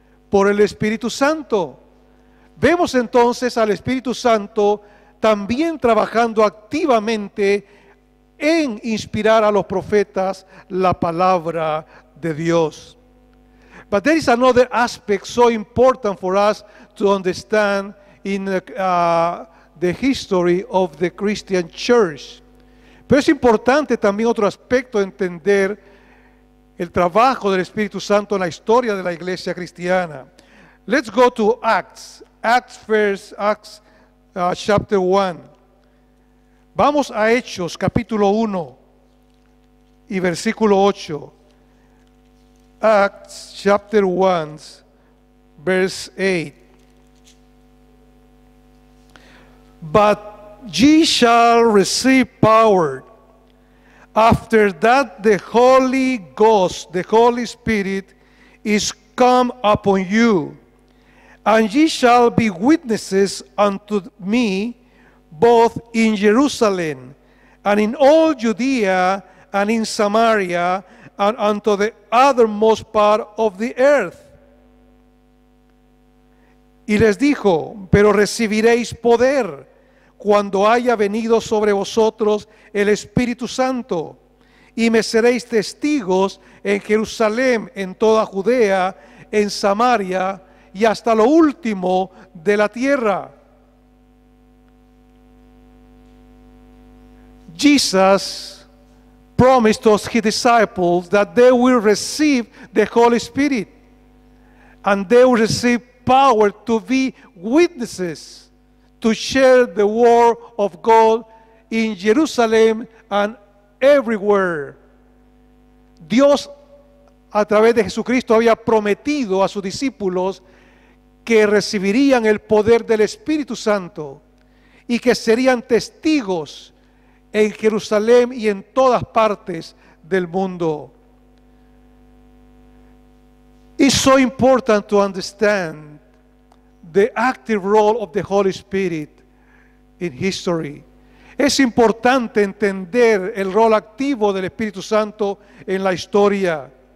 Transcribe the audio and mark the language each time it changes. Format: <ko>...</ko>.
<es>Por el Espíritu Santo. Vemos entonces al Espíritu Santo también trabajando activamente en inspirar a los profetas la palabra de Dios.</es> <en>But there is another aspect so important for us to understand in the history of the Christian Church.</en> <es>Pero es importante también otro aspecto de entender el trabajo del Espíritu Santo en la historia de la iglesia cristiana.</es> <en>Let's go to Acts. Acts chapter 1.</en> <es>Vamos a Hechos capítulo 1 y versículo 8.</es> <en>Acts chapter 1 verse 8. But ye shall receive power after that the Holy Ghost, the Holy Spirit, is come upon you, and ye shall be witnesses unto me, both in Jerusalem, and in all Judea, and in Samaria, and unto the othermost part of the earth.</en> <es>Y les dijo: pero recibiréis poder cuando haya venido sobre vosotros el Espíritu Santo, y me seréis testigos en Jerusalén, en toda Judea, en Samaria y hasta lo último de la tierra.</es> <en>Jesus promised us his disciples that they will receive the Holy Spirit and they will receive power to be witnesses, to share the word of God in Jerusalem and everywhere.</en> <es>Dios, a través de Jesucristo, había prometido a sus discípulos que recibirían el poder del Espíritu Santo y que serían testigos en Jerusalén y en todas partes del mundo.</es> <en>It's so important to understand the active role of the Holy Spirit in history.</en> <es>Es importante entender el rol activo del Espíritu Santo en la historia.</es>